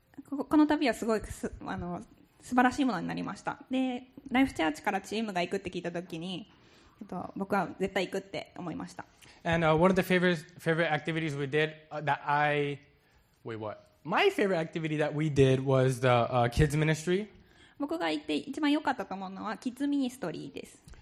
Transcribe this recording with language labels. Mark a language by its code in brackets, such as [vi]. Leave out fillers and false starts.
[ja] この旅はすごいあの素晴らしいものになりました。で、ライフチャーチからチームが行くって聞いたときに、僕は絶対行くって思いました。 [en] And one of the favorite activities we did that I wait what my favorite activity that we did was the kids ministry. [ja] 僕が行って一番良かったと思うのはキッズミニストリーです。